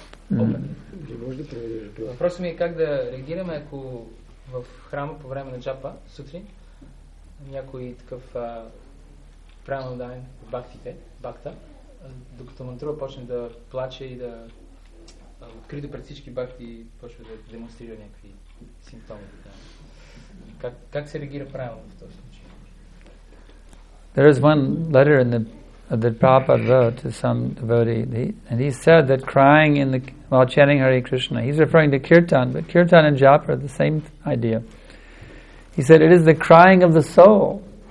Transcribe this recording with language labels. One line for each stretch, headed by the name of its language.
English: And he's chanting a little bit like loudly.
Bulgarian: Въпросът ми е как да реагираме, ако в храма по време на джапа сутрин някой такъв пранадайн бакта, докато мантрува почне да плаче и да открито пред всички бакти почва да демонстрира някакви симптоми. Как се реагира правилно в този случай?
English: There is one letter in the Prabhupada wrote to some devotee, and he said that crying in the while chanting Hare Krishna, he's referring to kirtan, but kirtan and japa are the same idea. He said it is the crying of the soul.